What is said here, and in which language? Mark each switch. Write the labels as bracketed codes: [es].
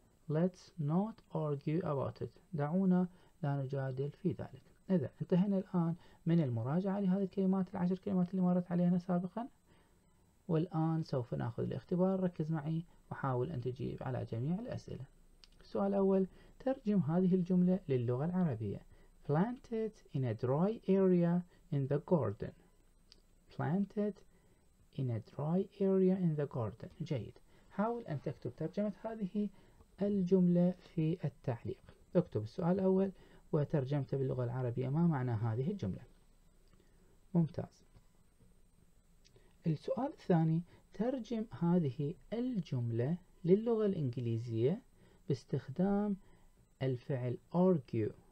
[en] let's not argue about it. [ar] دعونا لا نجادل في ذلك. إذا انتهينا الآن من المراجعة لهذه الكلمات، العشر كلمات اللي مرت علينا سابقا، والآن سوف نأخذ الاختبار. ركز معي وحاول أن تجيب على جميع الأسئلة. السؤال الأول، ترجم هذه الجملة للغة العربية. [en] planted in a dry area in the garden. planted in a dry area in the garden. [ar] جيد، حاول أن تكتب ترجمة هذه الجملة في التعليق. اكتب السؤال الأول وترجمته باللغة العربية، ما معنى هذه الجملة؟ ممتاز. السؤال الثاني، ترجم هذه الجملة للغة الإنجليزية باستخدام الفعل argue.